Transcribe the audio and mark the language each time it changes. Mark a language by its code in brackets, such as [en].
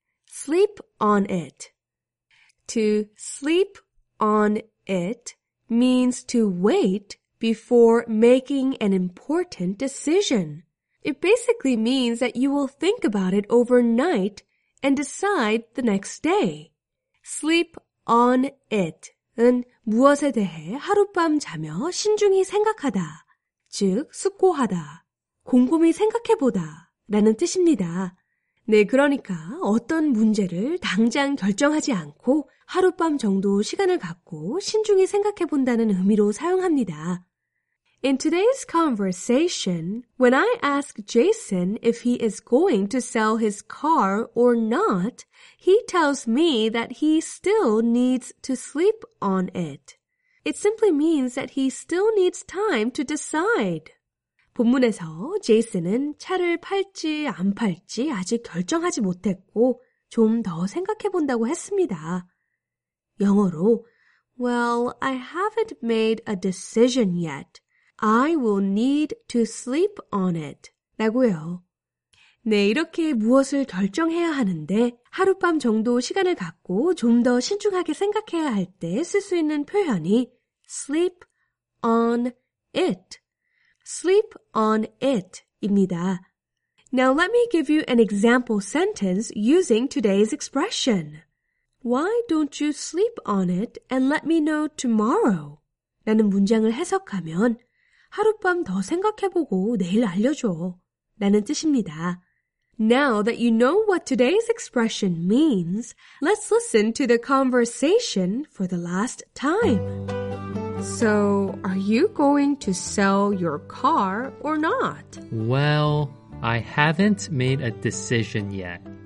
[en] Sleep on it. To sleep on it means to wait before making an important decision. It basically means that you will think about it overnight and decide the next day. [ko] Sleep on it은 무엇에 대해 하룻밤 자며 신중히 생각하다, 즉 숙고하다, 곰곰이 생각해보다 라는 뜻입니다. 네, 그러니까 어떤 문제를 당장 결정하지 않고 하룻밤 정도 시간을 갖고 신중히 생각해 본다는 의미로 사용합니다. [en] In today's conversation, when I ask Jason if he is going to sell his car or not, he tells me that he still needs to sleep on it. It simply means that he still needs time to decide. [ko] 본문에서 제이슨은 차를 팔지 안 팔지 아직 결정하지 못했고 좀 더 생각해 본다고 했습니다. 영어로 [en] Well, I haven't made a decision yet. I will need to sleep on it. [ko] 라고요. 네, 이렇게 무엇을 결정해야 하는데 하룻밤 정도 시간을 갖고 좀 더 신중하게 생각해야 할 때 쓸 수 있는 표현이 sleep on it. [en] Sleep on it입니다. Now let me give you an example sentence using today's expression. Why don't you sleep on it and let me know tomorrow? [ko] 라는 문장을 해석하면 하룻밤 더 생각해보고 내일 알려줘 라는 뜻입니다. [en] Now that you know what today's expression means, let's listen to the conversation for the last time. So, are you going to sell your car or not? Well, I haven't made a decision yet.